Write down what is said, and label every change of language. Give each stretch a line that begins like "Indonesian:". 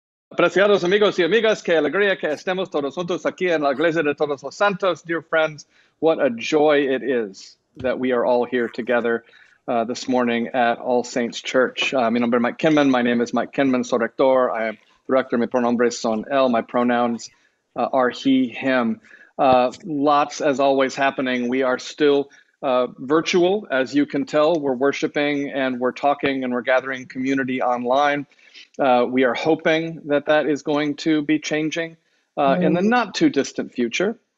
Spanish: Apreciados amigos y amigas, qué alegría que estemos todos juntos aquí en la Iglesia de Todos los Santos.
English: Dear friends, what a joy it is that we are all here together this morning at All Saints Church.
Spanish: Mi nombre es Mike Kinman.
English: My name is Mike Kinman,
Spanish: soy rector.
English: I am the rector.
Spanish: Mi pronombres son él.
English: My pronouns are he, him. Lots, as always, happening. We are still virtual, as you can tell. We're worshiping and we're talking and we're gathering community online. We are hoping that that is going to be changing in the not too distant future.